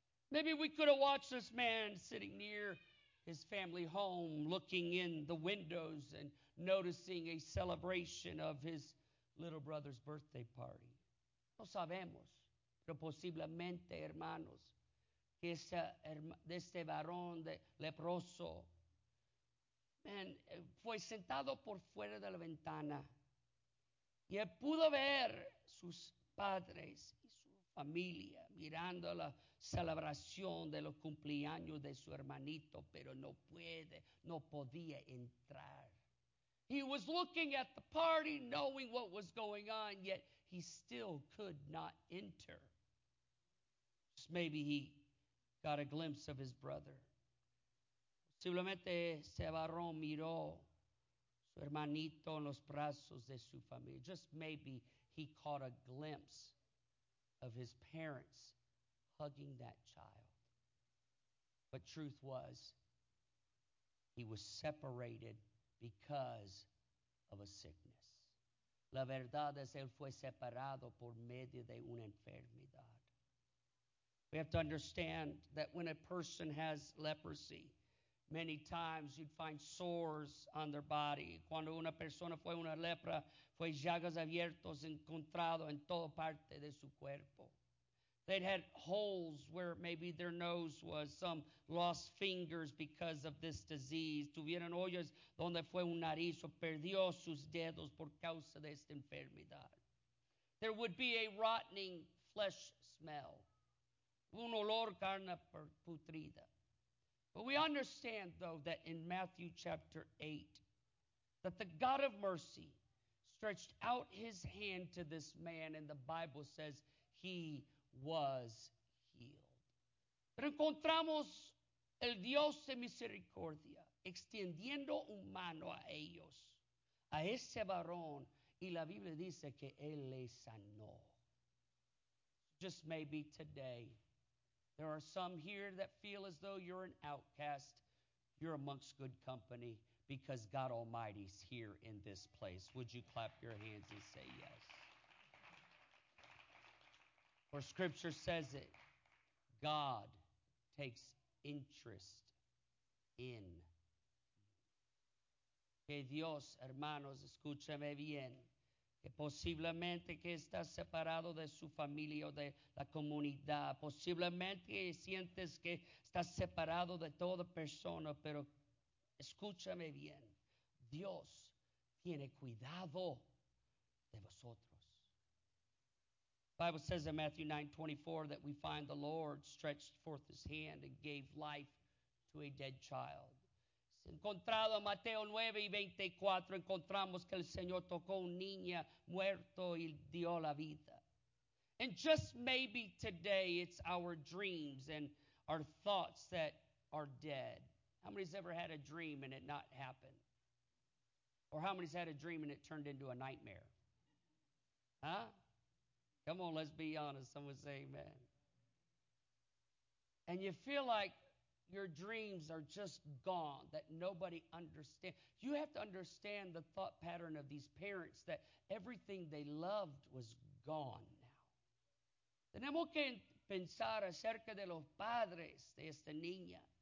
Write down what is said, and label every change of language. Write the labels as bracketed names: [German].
[English] Maybe we could have watched this man sitting near his family home, looking in the windows and noticing a celebration of his little brother's birthday party. [Spanish] No sabemos, pero posiblemente, hermanos, que este varón de leproso, man, fue sentado por fuera de la ventana y él pudo ver sus padres y su familia mirando la celebración de los cumpleaños de su hermanito, pero no podía entrar. [English] He was looking at the party, knowing what was going on, yet he still could not enter. Just maybe he got a glimpse of his brother. [Spanish] Posiblemente ese varón miró su hermanito en los brazos de su familia. [English] Just maybe he caught a glimpse of his parents hugging that child. But truth was, he was separated because of a sickness. [Spanish] La verdad es, él fue separado por medio de una enfermedad. [English] We have to understand that when a person has leprosy, many times you'd find sores on their body. [Spanish] Cuando una persona fue una lepra, fue llagas abiertas encontrado en toda parte de su cuerpo. [English] They'd had holes where maybe their nose was, some lost fingers because of this disease. [Spanish] Tuvieron hoyos donde fue un nariz o perdió sus dedos por causa de esta enfermedad. [English] There would be a rotting flesh smell, [Spanish] un olor carne putrida. [English] But we understand, though, that in Matthew chapter 8, that the God of mercy stretched out his hand to this man, and the Bible says he was healed. [Spanish] Pero encontramos el Dios de misericordia extendiendo un mano a ellos, a ese varón, y la Biblia dice que él le sanó. [English] Just maybe today, there are some here that feel as though you're an outcast. You're amongst good company because God Almighty's here in this place. Would you clap your hands and say yes? For Scripture says it, God takes interest in. [Spanish] Que Dios, hermanos, escúchame bien. Que posiblemente que estás separado de su familia o de la comunidad. Posiblemente que sientes que estás separado de toda persona. Pero escúchame bien. Dios tiene cuidado de vosotros. [English] The Bible says in Matthew 9:24 that we find the Lord stretched forth his hand and gave life to a dead child. [Spanish] Encontrado en Mateo 9:24, encontramos que el Señor tocó un niño muerto y dio la vida. [English] And just maybe today it's our dreams and our thoughts that are dead. How many's ever had a dream and it not happened? Or how many's had a dream and it turned into a nightmare? Huh? Come on, let's be honest. Someone say amen. And you feel like your dreams are just gone, that nobody understands. You have to understand the thought pattern of these parents, that everything they loved was gone now. [Spanish] Tenemos que pensar acerca de los padres de esta niña.